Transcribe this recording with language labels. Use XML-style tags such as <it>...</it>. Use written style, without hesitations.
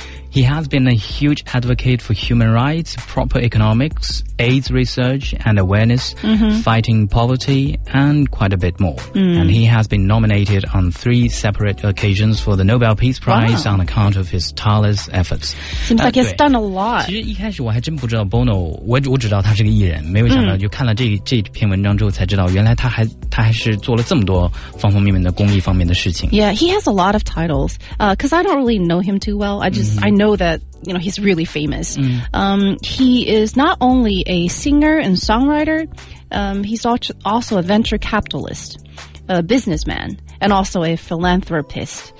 <en>He has been a huge advocate for human rights, proper economics, AIDS research and awareness, fighting poverty, and quite a bit more. And he has been nominated on 3 separate occasions for the Nobel Peace Prize on account of his tireless efforts. Seems like he's done a lot.</en> <zh>其实一开始我还真不知道 Bono, 我只知道他是个艺人，没有想到就看了这篇文章之后才知道，原来他还是做了这么多方方面面的公益方面的事情。</zh> <en>Yeah, he has a lot of titles. Because I don't really know him too well. I know that, you know, he's really famous. He is not only a singer and songwriter, he's also a venture capitalist, a businessman, and also a philanthropist.</en>